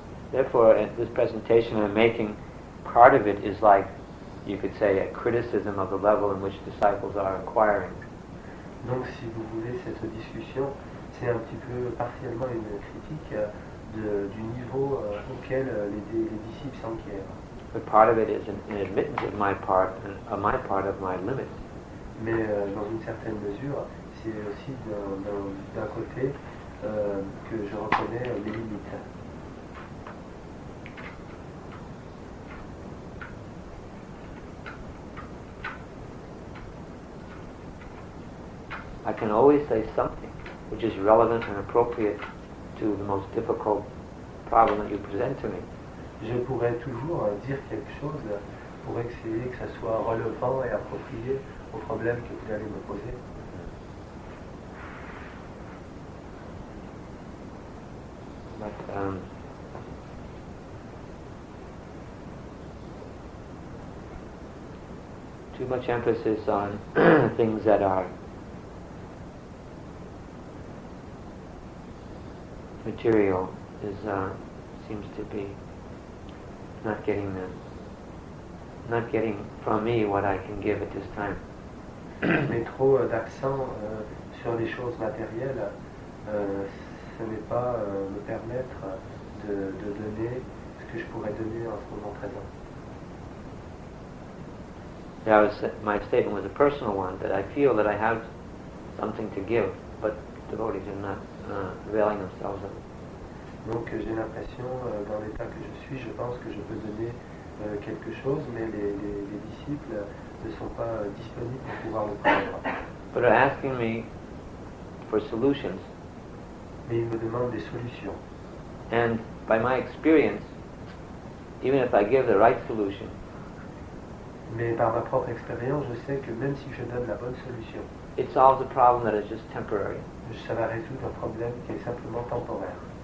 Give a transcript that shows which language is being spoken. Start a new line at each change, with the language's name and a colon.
English: Therefore, this presentation I'm making, part of it is like, you could say, a criticism of the level in which disciples are inquiring.
French: Donc, si vous voulez, cette discussion, c'est un petit peu partiellement une critique du niveau auquel les disciples s'enquièrent.
English: But part of it is an admittance of my part of my limit.
French: Mais dans une certaine mesure, c'est aussi d'un côté que je reconnais mes limites.
English: I can always say something which is relevant and appropriate to the most difficult problem that you present to me.
French: Je pourrais toujours dire quelque chose pour essayer que ça soit relevant et approprié au problème que vous allez me poser.
English: But, too much emphasis on things that are material is seems to be not getting from me what I can give at this time.
French: Mais trop d'accent sur les choses matérielles, ce n'est pas me permettre de donner ce que je pourrais donner en ce moment présent.
English: My statement was a personal one, that I feel that I have something to give, but devotees are not availing themselves of it.
French: Donc j'ai l'impression, dans l'état que je suis, je pense que je peux donner quelque chose, mais les disciples ne sont pas disponibles pour pouvoir le prendre.
English: But they're asking me for solutions.
French: Mais ils me demandent des solutions.
English: And by my experience, even if I give the right solution,
French: mais par ma propre expérience, je sais que même si je donne la bonne solution,
English: it solves a problem that is just temporary.
French: Ça va résoudre un problème qui est simplement temporaire.